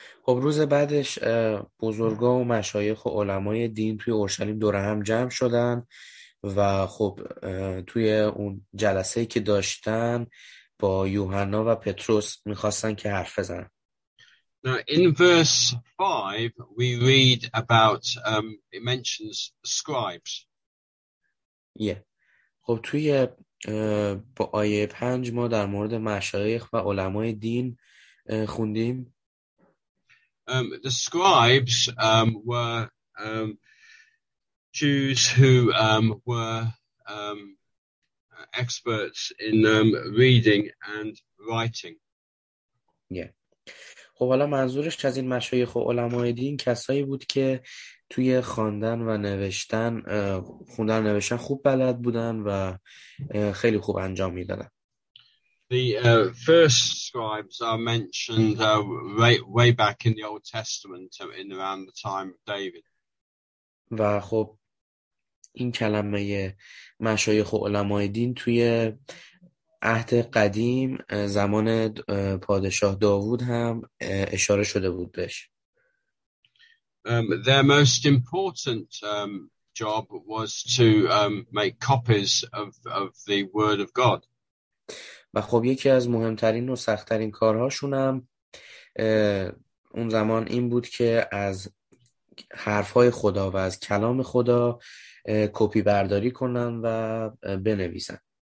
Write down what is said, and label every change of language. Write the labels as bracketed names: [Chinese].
[Persian] خب روز بعدش بزرگا و مشایخ و علمای دین توی اورشلیم دور هم جمع شدن و خب توی اون جلسه‌ای که داشتن با یوحنا و پتروس می‌خواستن که حرف بزنن. [English] Now in verse 5 we read about it mentions scribes. Yeah. [Persian] خب توی با آیه 5 ما در مورد مشایخ و علمای دین خوندیم. [English] The scribes were Jews who were experts in reading and writing. Yeah. [Persian] خب حالا منظورش از این مشایخ و علمای دین کسایی بود که توی خواندن و نوشتن خوندن و نوشتن خوب بلد بودن و خیلی خوب انجام میدادن. [English] The first scribes are mentioned way back in the Old Testament in around the time of David. [Persian] و خب این کلمه مشایخ و علمای دین توی عهد قدیم زمان پادشاه داوود هم اشاره شده بود بهش. [English] Their most important job was to make copies of the word of God. [Persian] و خب یکی از مهمترین و سختترین کارهاشون هم اون زمان این بود که از حرفهای خدا و از کلام خدا کپی برداری کنن و بنویسن.